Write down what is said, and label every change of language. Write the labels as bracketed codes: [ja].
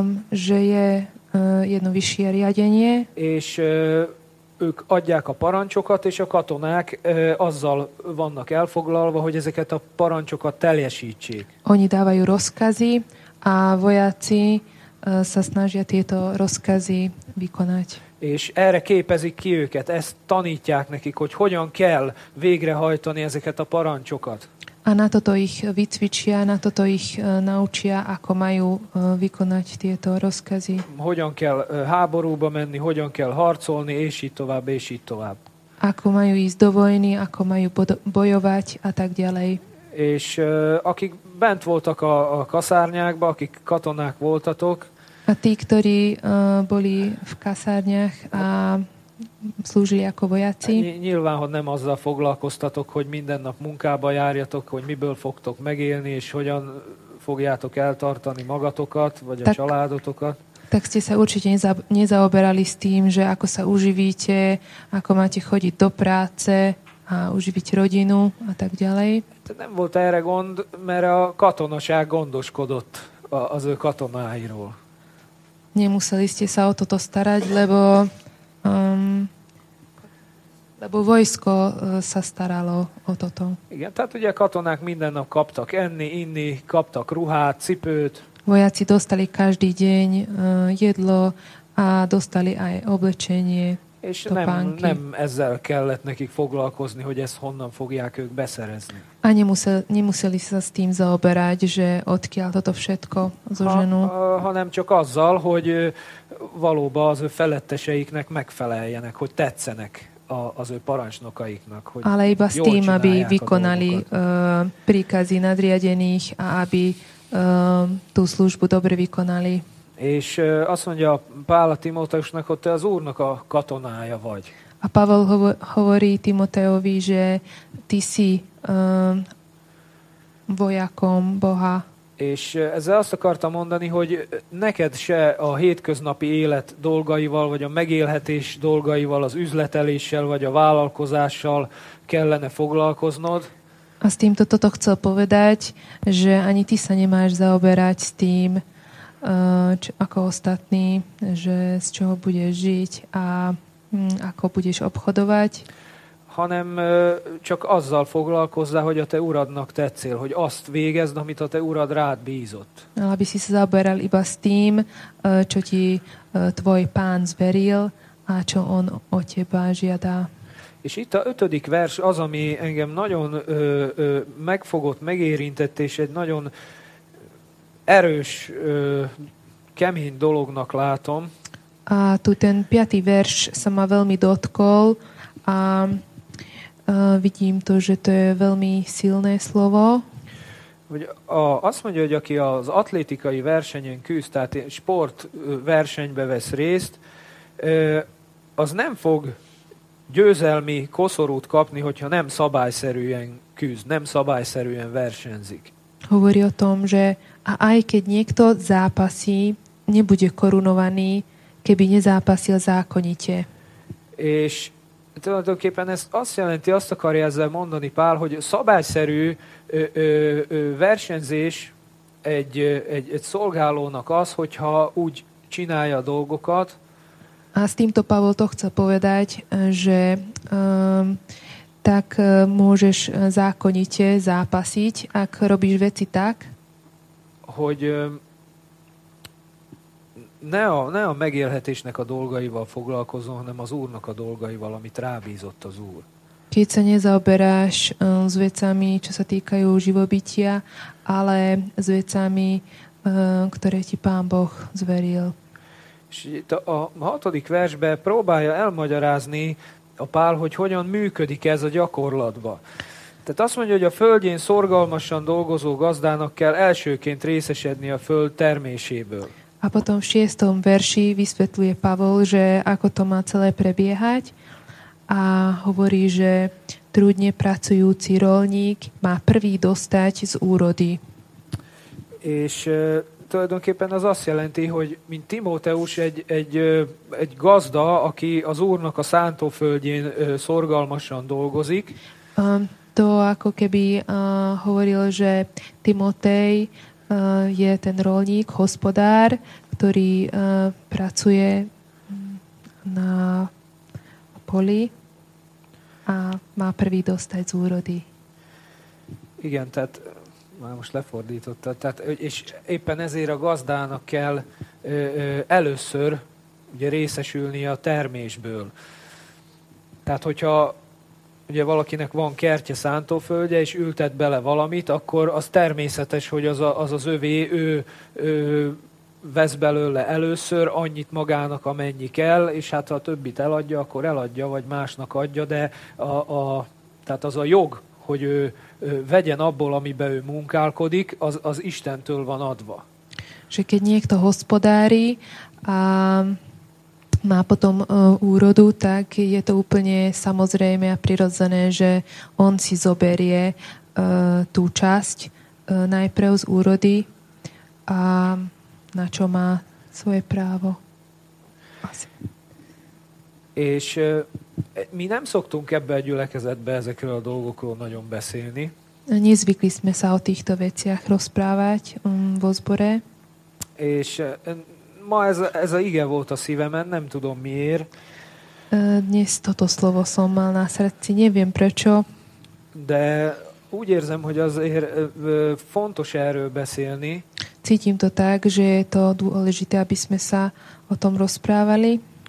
[sk] že je jedno vyššie riadenie, [hu] és ők adják a parancsokat, és a katonák azzal vannak elfoglalva, hogy ezeket a parancsokat teljesítsék. [sk] Oni dávajú rozkazy, a vojaci sa snažia tieto rozkazy vykonať. [hu] És erre képezik ki őket, ezt tanítják nekik, hogy hogyan kell végrehajtani ezeket a parancsokat. [sk] A na toto ich vycvičia, na toto ich naučia, ako majú vykonať tieto rozkazy. [hu] Hogyan kell háborúba menni, hogyan kell harcolni, és így tovább, és így tovább. [sk] Ako majú ísť do vojny, ako majú bojovať a tak ďalej. [hu] És akik bent voltak a kaszárnyákba, akik katonák voltatok. [sk] A tí, ktorí boli v kaszárnyách a slúžili ako vojaci. [hu] Nyilván, hogy nem azzal foglalkoztatok, hogy minden nap munkába járjatok, hogy miből fogtok megélni, és hogyan fogjátok eltartani magatokat, vagy a családotokat. [sk] Tak ste sa určite nezaoberali s tým, že ako sa uživíte, ako máte chodiť do práce a uživiť rodinu a tak ďalej. [hu] Nem volt erre gond, mert a katonaság gondoskodott az ő katonáiról. [sk] Nemuseli ste sa o toto starať, lebo vojsko sa staralo o toto. [hu] Igen, tehát ugye katonák minden nap kaptak enni, inni, kaptak ruhát, cipőt. [sk] Vojaci dostali každý deň jedlo a dostali aj oblečenie. [hu] És nem ezzel kellett nekik foglalkozni, hogy ezt honnan fogják ők beszerezni. [sk] A nemuseli sa s tým zaoberať, že odkiaľ toto všetko zoženú. [hu] Hanem csak azzal, hogy valóban az ő feletteseiknek megfeleljenek, hogy tetszenek az ő parancsnokaiknak. Hogy [sk] ale iba s tým, aby vykonali príkazy nadriadených a aby tú službu dobre vykonali. [hu] És azt mondja Pál a Timóteusnak, hogy te az Úrnak a katonája vagy. [sk] A Pavel hovorí Timoteovi, že ty si vojakom Boha. [hu] És ezzel azt akartam mondani, hogy neked se a hétköznapi élet dolgaival, vagy a megélhetés dolgaival, az üzleteléssel, vagy a vállalkozással kellene foglalkoznod. [sk] A s týmto toto chcel povedať, že ani ty sa nemáš zaoberať s tým, ako ostatní, že z čoho budeš žiť a ako budeš obchodovať. [hu] Hanem csak azzal foglalkozzá, hogy a te uradnak tetszél, hogy azt végezd, amit a te urad rád bízott. [sk] Aby si sa zaoberal iba s tým, čo ti tvoj pán zveril a čo on o teba žiadá. [hu] És itt a ötödik vers az, ami engem nagyon megfogott, megérintett, és egy nagyon erős, kemény dolognak látom. [sk] A tu ten piatý verš sa ma veľmi dotkol a vidím to, že to je veľmi silné slovo. [hu] Azt mondja, hogy aki az atlétikai versenyen küzd, tehát sport versenybe vesz részt, az nem fog győzelmi koszorút kapni, hogyha nem szabályszerűen küzd, nem szabályszerűen versenzik. [sk] Hovorí o tom, že a aj keď niekto zápasí, nebude korunovaný, keby nezápasil zákonite. [hu] És tulajdonképpen ezt azt jelenti, azt akarja ezzel mondani Pál, hogy szabályszerű versenyzés egy szolgálónak az, hogyha úgy csinálja a dolgokat. [sk] A s týmto Pavol to chce povedať, že tak môžeš zákonite zápasiť, ak robíš veci tak, [hu] hogy ne a megélhetésnek a dolgaival foglalkozom, hanem az Úrnak a dolgaival, amit rábízott az Úr. [sk] Keď sa nezaoberáš s vecami, čo sa týkajú živobytia, ale s vecami, ktoré ti Pán Boh zveril. [hu] A hatodik versbe próbálja elmagyarázni a Pál, hogy hogyan működik ez a gyakorlatba. Tehát azt mondja, hogy a földjén szorgalmasan dolgozó gazdának kell elsőként részesedni a föld terméséből. [sk] A potom v šiestom verši vysvetluje Pavol, že ako to má celé prebiehať, a hovorí, že trudne pracujúci rolník má prvý dostať z úrody. [hu] És tulajdonképpen az azt jelenti, hogy mint Timóteus egy gazda, aki az Úrnak a szántóföldjén szorgalmasan dolgozik. [sk] To ako keby hovoril, že Timotej je ten rolník, hospodár, ktorý pracuje na poli a má prvý dostať z úrody. [hu] Igen, tehát már most lefordította. Tehát, és éppen ezért a gazdának kell először ugye részesülnie a termésből. Tehát, hogyha ugye valakinek van kertje, szántóföldje, és ültet bele valamit, akkor az természetes, hogy az övé, ő vesz belőle először annyit magának, amennyi kell, és hát ha a többit eladja, akkor eladja, vagy másnak adja, de tehát az a jog, hogy ő vegyen abból, amiben ő munkálkodik, az Istentől van adva. [sk] És keď niekto hospodári a má potom úrodu, tak je to úplne samozrejme a prirodzené, že on si zoberie tú časť najprv z úrody a na čo má svoje právo. Asi. [hu] És mi nem szoktunk ebbe a gyülekezetbe ezekről a dolgokról nagyon beszélni. [sk] Nezvykli sme sa o týchto veciach rozprávať vo zbore. [hu] És ma ez a ige volt a szívemen, nem tudom miért. [sk] Dnes toto slovo som mal na srdci, neviem prečo. [hu] De úgy érzem, hogy azért fontos erről beszélni. [sk] Cítim to tak, že je to dôležité, aby sme sa o tom rozprávali.